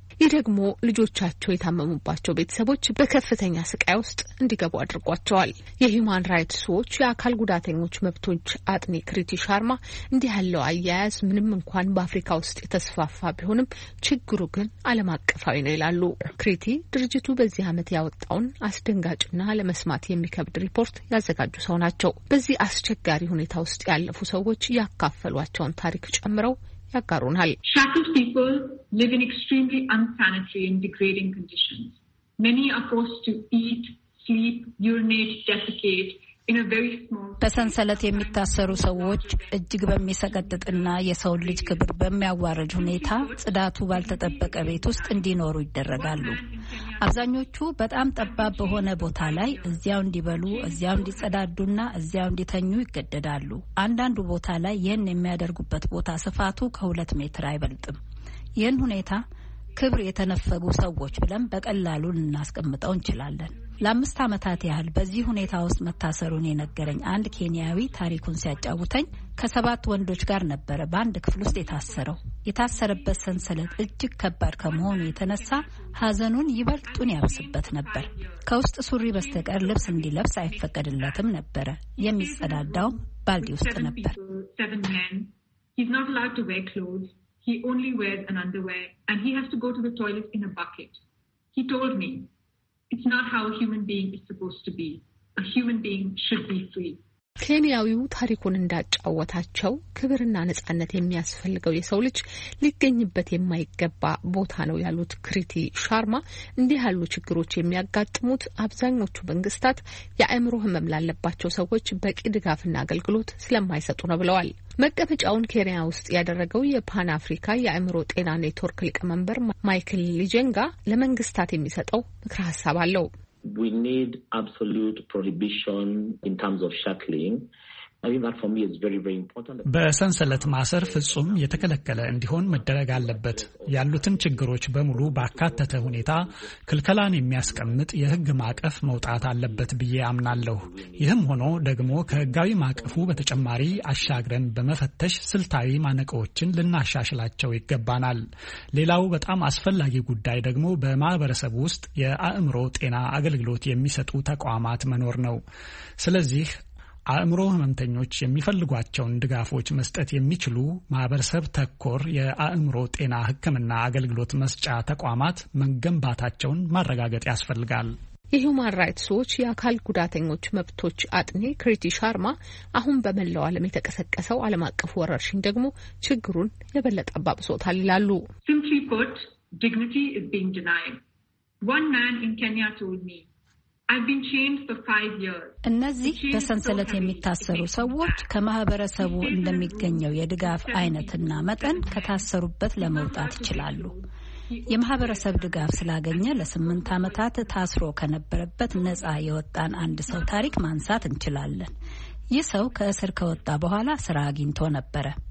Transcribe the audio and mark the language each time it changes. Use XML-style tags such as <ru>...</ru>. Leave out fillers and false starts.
<am>ይህ ደግሞ ልጆቻቸው የታመሙባቸው ቤተሰቦች በከፍተኛ ስቃይ ውስጥ እንዲገቡ አድርጓቸዋል። የሂዩማን ራይትስ ዎች የአካል ጉዳተኞች መብቶች አጥኒ ክሪቲ ሻርማ እንዲህ ያለው አያያዝ ምንም እንኳን በአፍሪካ ውስጥ የተስፋፋ ቢሆንም ችግሩ ግን ዓለም አቀፋዊ ነው ይላሉ። ክሪቲ ድርጅቱ በዚህ ዓመት ያወጣውን አስደንጋጭና ለመስማት የሚከብድ ሪፖርት ያዘጋጁ ሰው ናቸው። በዚህ አስቸጋሪ ሁኔታ ውስጥ ያለፉ ሰዎች ያካፈሏቸውን ታሪክ ጨምረው ያጋሩናል።</am> <en>Shackled people live in extremely unsanitary and degrading conditions. Many are forced to eat, sleep, urinate, defecate in a very small.</en> <am>በሰንሰለት የሚታሰሩ ሰዎች እጅግ በሚሰቀጥጥና የሰው ልጅ ክብር በሚያዋርድ ሁኔታ ጽዳቱ ባልተጠበቀ ቤት ውስጥ እንዲኖሩ ይደረጋሉ። አብዛኞቹ በጣም ጠባብ በሆነ ቦታ ላይ እዚያው እንዲበሉ፣ እዚያው እንዲጸዳዱና እዚያው እንዲተኙ ይገደዳሉ። አንዳንዱ ቦታ ላይ ይህን የሚያደርጉበት ቦታ ስፋቱ ከ2 ሜትር አይበልጥም። ይህን ሁኔታ ክብር የተነፈጉ ሰዎች ብለን በቀላሉ እናስቀምጠው እንችላለን። ለአምስት አመታት ያህል በዚህ ሁኔታ ውስጥ መታሰሩን የነገረኝ አንድ ኬንያዊ ታሪኩን ሲያጫውተኝ ከሰባት ወንዶች ጋር ነበር በአንድ ክፍል ውስጥ የታሰረው። የታሰረበት ሰንሰለት እጅግ ከባድ ከመሆኑ የተነሳ ሀዘኑን ይበልጡን ያብስበት ነበር። ከውስጥ ሱሪ በስተቀር ልብስ እንዲለብስ አይፈቀድለትም ነበር። የሚጸዳዳው ባልዲ ውስጥ ነበር።</am> <en>He's not allowed to wear clothes. He only wears an underwear and he has to go to the toilet in a bucket. He told me, it's not how a human being is supposed to be. A human being should be free.</en> <am>ኬንያዊው ታሪኩን እንዳጫወታቸው ክብርና ነጻነት የሚያስፈልገው የሰው ልጅ ሊገኝበት የማይገባ ቦታ ነው ያሉት ክሪቲ ሻርማ እንዲህ ያሉ ችግሮች የሚያጋጥሙት አብዛኞቹ መንግስታት የአእምሮ ህመም ላለባቸው ሰዎች በቂ ድጋፍና አገልግሎት ስለማይሰጡ ነው ብለዋል። መቀመጫውን ኬንያ ውስጥ ያደረገው የፓን አፍሪካ የአእምሮ ጤና ኔትወርክ ሊቀመንበር ማይክል ሊጀንጋ ለመንግስታት የሚሰጠው ምክረ ሐሳብ አለው።</am> <en>We need absolute prohibition in terms of shackling. I think that for me is very, very important.</en> <am>በሰንሰለት ማሰር ፍጹም የተከለከለ እንዲሆን መደረግ አለበት። ያሉትን ችግሮች በሙሉ ባካተተ ሁኔታ ክልከላን የሚያስቀምጥ የህግ ማዕቀፍ መውጣት አለበት ብዬ አምናለሁ። ይህም ሆኖ ደግሞ ከህጋዊ ማዕቀፉ በተጨማሪ አሻግረን በመፈተሽ ስልታዊ ማነቆዎችን ልናሻሽላቸው ይገባናል። ሌላው በጣም አስፈላጊ ጉዳይ ደግሞ በማህበረሰብ ውስጥ የአእምሮ ጤና አገልግሎት የሚሰጡ ተቋማት መኖር ነው። ስለዚህ አእምሮ ህመምተኞች የሚፈልጓቸውን ድጋፎች መስጠት የሚችሉ ማህበረሰብ ተኮር የአእምሮ ጤና ህክምና አገልግሎት መስጫ ተቋማት መገንባታቸውን ማረጋገጥ ያስፈልጋል። የሂውማን ራይትስ ዎች የአካል ጉዳተኞች መብቶች አጥኚ ክሪቲ ሻርማ አሁን በመላው ዓለም የተከሰከሰው ዓለም አቀፍ ወረርሽኝ ደግሞ ችግሩን የበለጠ አባብሶታል ይላሉ።</am> <en>Simply put, dignity is being denied. One man in Kenya told me, I've been chained for 5 years.</en> <am>እነዚህ በሰንሰለት የሚታሰሩ ሰዎች ከማህበረሰቡ እንደሚገኘው የድጋፍ አይነትና መጠን ከታሰሩበት ለመውጣት ይችላሉ። የማህበረሰብ ድጋፍ ስላገኘ ለ8 አመታት ታስሮ ከነበረበት ነፃ የወጣን አንድ ሰው ታሪክ ማንሳት እንችላለን። ይህ ሰው ከእስር ከወጣ በኋላ ስራ አግኝቶ ነበር።</am>